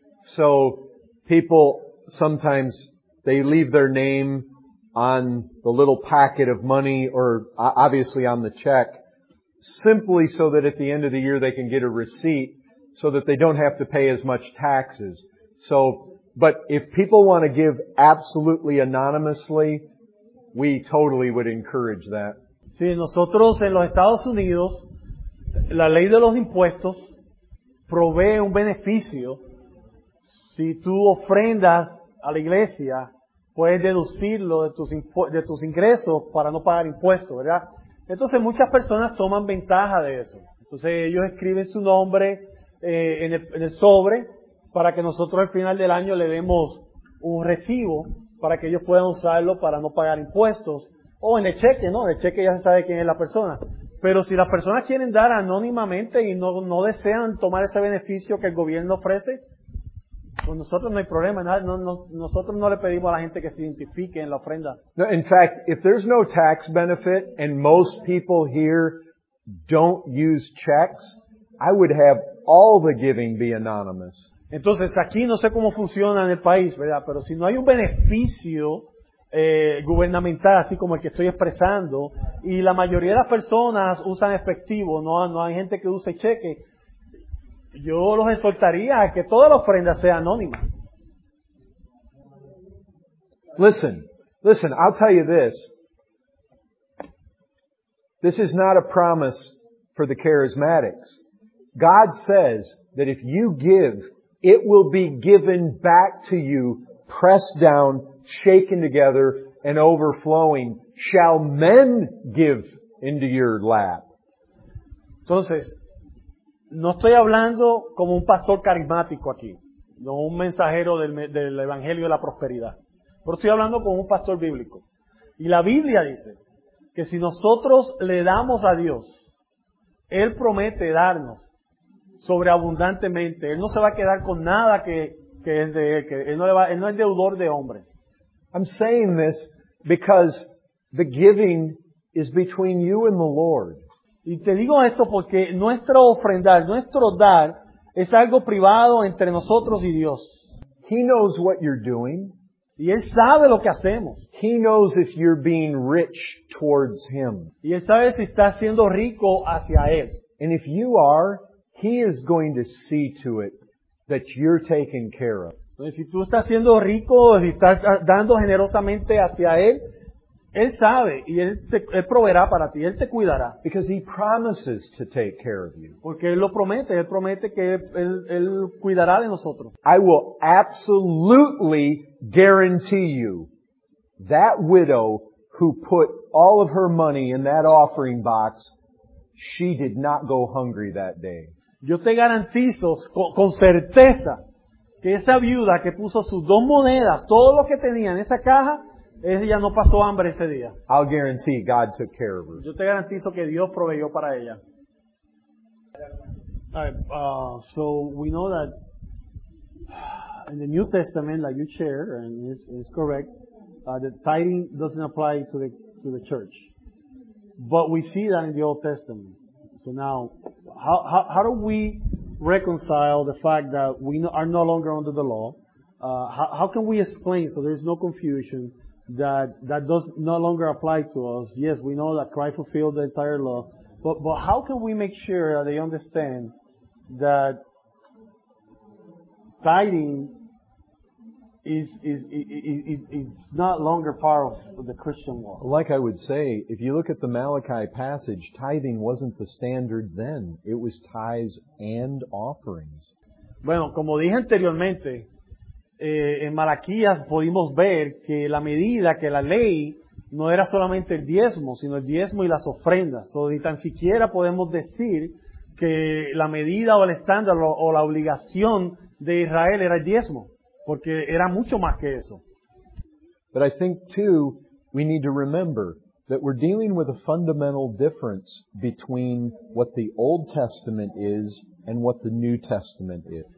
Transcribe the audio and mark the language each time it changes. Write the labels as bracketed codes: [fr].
[en] So people sometimes, they leave their name on the little packet of money or obviously on the check simply so that at the end of the year they can get a receipt so that they don't have to pay as much taxes. So, but if people want to give absolutely anonymously, we totally would encourage that. [es] Sí, nosotros en los Estados Unidos, la ley de los impuestos provee un beneficio. Si tú ofrendas a la iglesia, puedes deducirlo de tus ingresos para no pagar impuestos, ¿verdad? Entonces muchas personas toman ventaja de eso. Entonces ellos escriben su nombre en el sobre para que nosotros al final del año le demos un recibo para que ellos puedan usarlo para no pagar impuestos. O en el cheque, ¿no? En el cheque ya se sabe quién es la persona. Pero si las personas quieren dar anónimamente y no desean tomar ese beneficio que el gobierno ofrece, con nosotros no hay problema, nosotros no le pedimos a la gente que se identifique en la ofrenda. [en] No, in fact, if there's no tax benefit and most people here don't use checks, I would have all the giving be anonymous. [es] Entonces, aquí no sé cómo funciona en el país, ¿verdad? Pero si no hay un beneficio gubernamental, así como el que estoy expresando, y la mayoría de las personas usan efectivo, no hay gente que use cheque, yo los exhortaría a que toda la ofrenda sea anónima. [en] Listen, I'll tell you this. This is not a promise for the charismatics. God says that if you give, it will be given back to you, pressed down, shaken together, and overflowing. Shall men give into your lap? [es] Entonces, no estoy hablando como un pastor carismático aquí, no un mensajero del Evangelio de la Prosperidad, pero estoy hablando como un pastor bíblico. Y la Biblia dice que si nosotros le damos a Dios, Él promete darnos sobreabundantemente. Él no se va a quedar con nada que es de Él, que él no es deudor de hombres. [en] I'm saying this because the giving is between you and the Lord. [es] Y te digo esto porque nuestro ofrendar, nuestro dar, es algo privado entre nosotros y Dios. [en] He knows what you're doing. [es] Y Él sabe lo que hacemos. [en] He knows if you're being rich towards Him. [es] Y Él sabe si estás siendo rico hacia Él. [en] And if you are, He is going to see to it that you're taken care of. [es] Entonces, si tú estás siendo rico, si estás dando generosamente hacia Él, Él sabe y Él proveerá para ti, Él te cuidará. [en] Because He promises to take care of you. [es] Porque Él lo promete, Él promete que Él cuidará de nosotros. [en] I will absolutely guarantee you that widow who put all of her money in that offering box, she did not go hungry that day. [es] Yo te garantizo con certeza que esa viuda que puso sus dos monedas, todo lo que tenía en esa caja, ella no pasó hambre ese día. [en] I'll guarantee God took care of her. [es] Yo te garantizo que Dios proveyó para ella. [en] All right, so we know that in the New Testament, like you share, and it's correct, the tithing doesn't apply to the church. But we see that in the Old Testament. So now, how do we reconcile the fact that we are no longer under the law? How can we explain so there's no confusion that does no longer apply to us? Yes, we know that Christ fulfilled the entire law. But how can we make sure that they understand that tithing is not longer part of the Christian law? Like I would say, if you look at the Malachi passage, tithing wasn't the standard then. It was tithes and offerings. [es] Bueno, como dije anteriormente, en Malaquías pudimos ver que la medida, que la ley, no era solamente el diezmo, sino el diezmo y las ofrendas. O ni tan siquiera podemos decir que la medida o el estándar o la obligación de Israel era el diezmo, porque era mucho más que eso. [en] But I think too, we need to remember that we're dealing with a fundamental difference between what the Old Testament is and what the New Testament is.